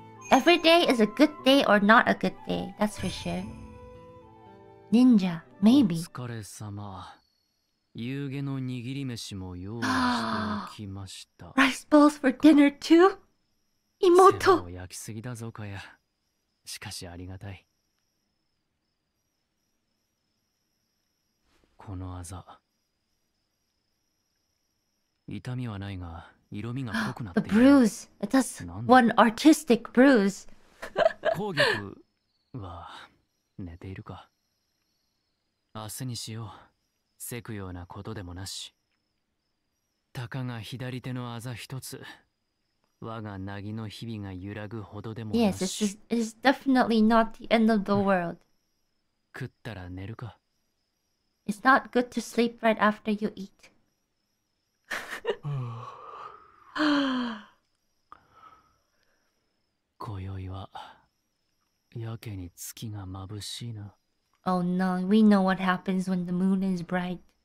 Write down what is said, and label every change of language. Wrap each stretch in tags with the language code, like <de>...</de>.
<en>Every day is a good day or not a good day, that's for sure. Ninja, maybe.</en> <ja>お疲れ様。夕げの握り飯も用意しておきました。</ja> <en>Rice balls for dinner too? 妹。</en> <ja>世話を焼きすぎだぞ、かや。しかしありがたい。このあざ。痛みはないが、色味が濃くなっている</ja> <en>。 The bruise. It's just one artistic bruise.</en> <ja>攻撃は寝ているか。明日にしよう。せくようなことでもなし。たかが左手のあざ一つ。我がなぎの日々が揺らぐほどでもなし。</ja> <en>Yes, this is definitely not the end of the world.</en> <ja>食ったら寝るか。</ja> <en>It's not good to sleep right after you eat.</en> <ja>こよいはやけに月がまぶしいな。</ja> <en>Oh no, we know what happens when the moon is bright.</en>